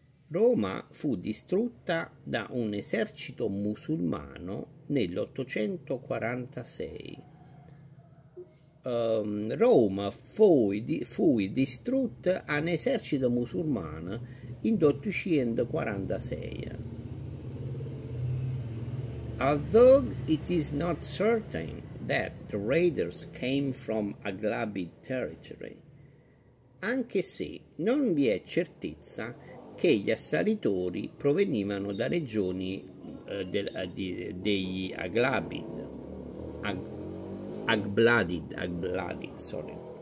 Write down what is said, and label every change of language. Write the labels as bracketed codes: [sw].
[it] Roma fu distrutta da un esercito musulmano nell'846. Roma fu distrutta da un esercito musulmano in 846. [en] Although it is not certain that the raiders came from Aglabid territory, [it] anche se non vi è certezza che gli assalitori provenivano da regioni degli Agbladid, sorry.